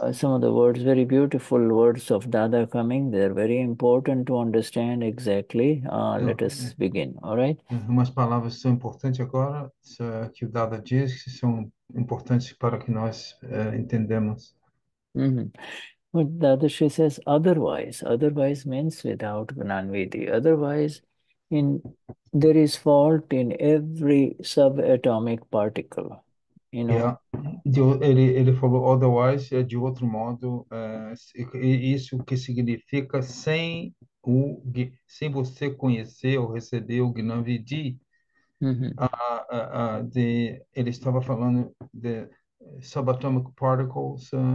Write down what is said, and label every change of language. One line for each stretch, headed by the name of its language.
English: Some of the words, very beautiful words of Dada coming. They're very important to understand exactly. Let us begin, all right?
Portuguese: Umas palavras são importantes agora, que o Dada diz, que são importantes para que nós entendemos.
English: But Dadashri says otherwise. Otherwise means without Gnanvedi. Otherwise, there is fault in every subatomic particle, you know. Yeah.
Portuguese: Ele falou otherwise, de outro modo, isso que significa sem você conhecer ou receber o Gnanvedi, ele estava falando de subatomic particles.